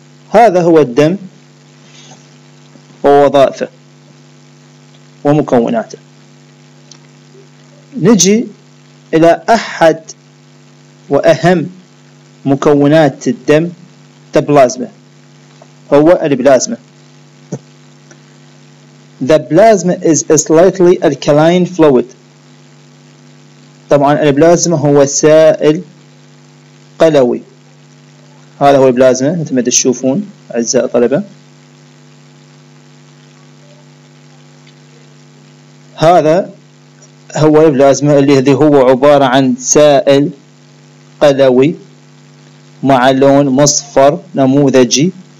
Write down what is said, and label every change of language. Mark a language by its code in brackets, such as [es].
[ar] هذا هو الدم ووظائفه ومكوناته. نجي إلى أحد وأهم مكونات الدم، البلازما، هو البلازما. [en] The plasma is a slightly alkaline fluid، [ar] طبعا البلازما هو سائل قلوي. هذا هو البلازما مثل ما تشوفون أعزائي الطلبة. هذا هو البلازما الذي هو عبارة عن سائل قلوي مع لون مصفر نموذجي.